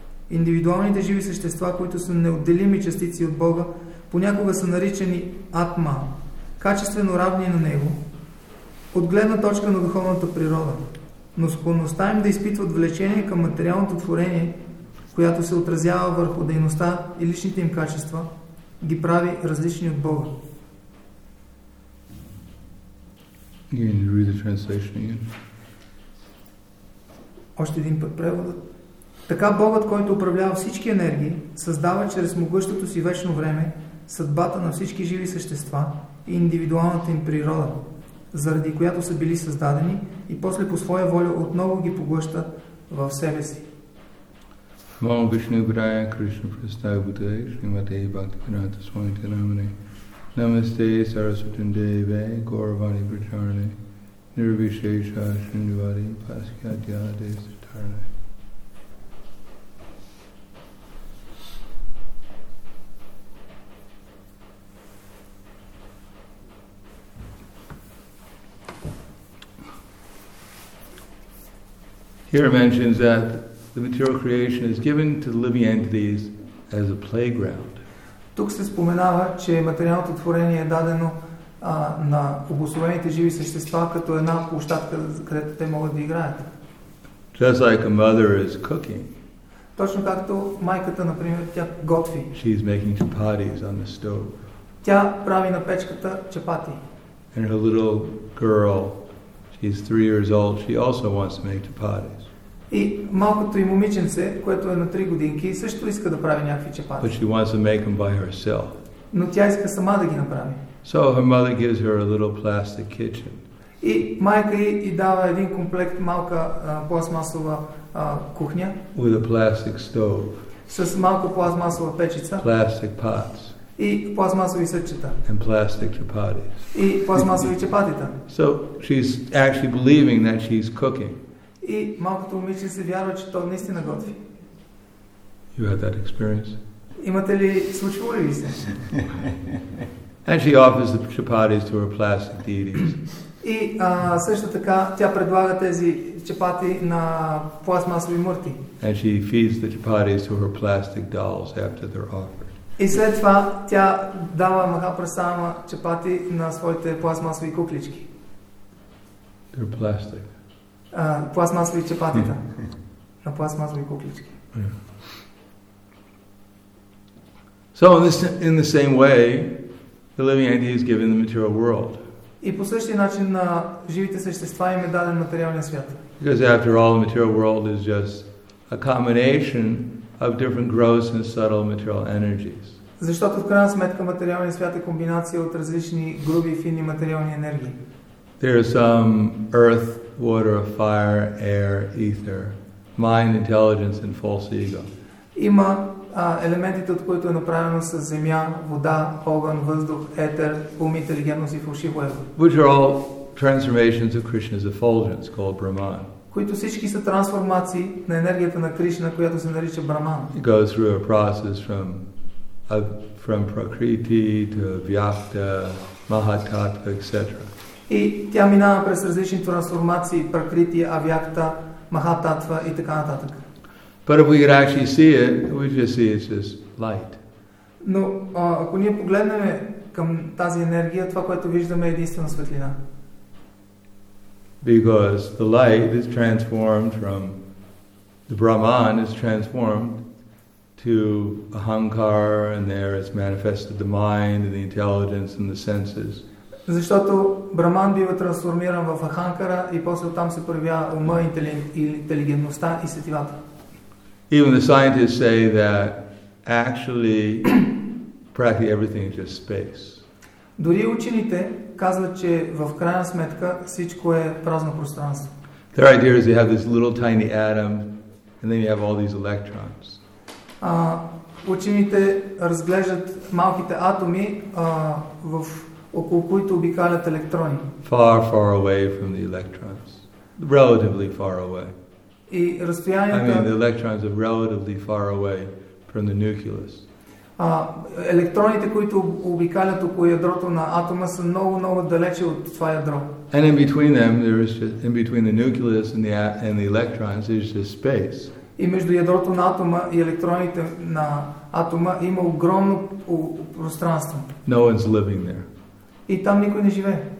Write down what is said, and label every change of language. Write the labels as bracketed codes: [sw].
[bg] Индивидуалните живи същества, които са неотделими частици от Бога, понякога са наричани атма, качествено равни на него, от гледна точка на духовната природа. Но склонността им да изпитват влечение към материалното творение, която се отразява върху дейността и личните им качества, ги прави различни от Бога. [en] Again, read the translation again. [bg] Още един път преводът. Така Богът, който управлява всички енергии, създава чрез могъщото си вечно време съдбата на всички живи същества и индивидуалната им природа, заради която са били създадени и после по своя воля отново ги поглъща в себе си. Мало Вишни Убрая Кришна Престава Бутай, Шримате и Бхакти Пината Своните Намане. Намасте Сарасутин Деве, Горвани Причарне, Нирвишеша Шриндивари, Паския Дяде Сатарне. [en] Here mentions that the material creation is given to the living entities as a playground. [bg] Тук се споменава, че материалното творение е дадено на обусловените живи същества като една площадка, където те могат да играят. [en] Just like a mother is cooking. [bg] Точно както майката, например, тя готви. [en] She is making chapatis on the stove. [bg] Тя прави на печката чапати. [en] And her little girl, she's 3 years old, she also wants to make chapatis. [bg] И малкото и момиченце, което е на 3 годинки, също иска да прави някакви чапати. [en] But she wants to make them by herself. [bg] Но тя иска сама да ги направи. [en] So her mother gives her a little plastic kitchen. [bg] И майка ѝ дава един комплект малка пластмасова кухня. [en] With a plastic stove. [bg] С малко пластмасова печица. [en] Plastic pots. [bg] И пластмасови съдчета. [en] And plastic chapatis. [bg] И пластмасови чапатита. [en] So she's actually believing that she's cooking. [bg] И малкото момиче се вярва, че то наистина готви. [en] You had that experience? [bg] Имате ли, случвало ли се? [en] And she offers the chapatis to her plastic deities. [bg] И също така тя предлага тези чапати на пластмасови мурти. [en] And she feeds the chapatis to her plastic dolls after they're offered. [bg] И след това тя дава махапрасама чапати на своите пластмасови куклички. [en] They're plastic. [bg] Пластмасови чапатита. На пластмасови куклички. [en] So in the same way, the living entity is given the material world. [bg] И по същия начин на живите същества им е даден материалния свят. [en] Because after all, the material world is just a combination of different gross and subtle material energies. [bg] Защото в крайна сметка материалния свят е комбинация от различни груби и фини материални енергии. [en] There is some earth, water, fire, air, ether, mind, intelligence, and false ego. [bg] Има елементите, от които е направено с земя, вода, огън, въздух, етер, ум, интелигентност и фалшиво его. [en] Which are all transformations of Krishna's effulgence called Brahman. [bg] Които всички са трансформации на енергията на Кришна, която се нарича Браман. [en] It goes through a process from Prakriti to Vyakta, Mahatattva, etc. [bg] И тя минава през различни трансформации, Пракрити, Авякта, Махататва и така нататък. [en] But if we could actually see it, we just see it's just light. [bg] Но ако ние погледнем към тази енергия, това, което виждаме, е единствена светлина. [en] Because the light is transformed from the Brahman is transformed to Ahankar, and there it's manifested the mind and the intelligence and the senses. [bg] Защото Браман бива трансформиран в Аханкара и после оттам се проявява ума, интелигентността и сетивата. [en] Even the scientists say that actually practically everything is just space. [bg] Дори учените казват, че в крайна сметка всичко е празно пространство. [en] Their idea is you have this little tiny atom and then you have all these electrons. [bg] Учените разглеждат малките атоми в около които обикалят електрони. [en] Far, far away from the electrons. Relatively far away. [bg] И разстоянието... [en] I mean, the electrons are relatively far away from the nucleus. [bg] Електроните, които обикалят около ядрото на атома, са много, много далече от това ядро. [en] And in between them, there is just, in between the nucleus and the electrons, there is just space. [bg] И между ядрото на атома и електроните на атома има огромно пространство. [en] No one's living there. [bg] И там никой не живее.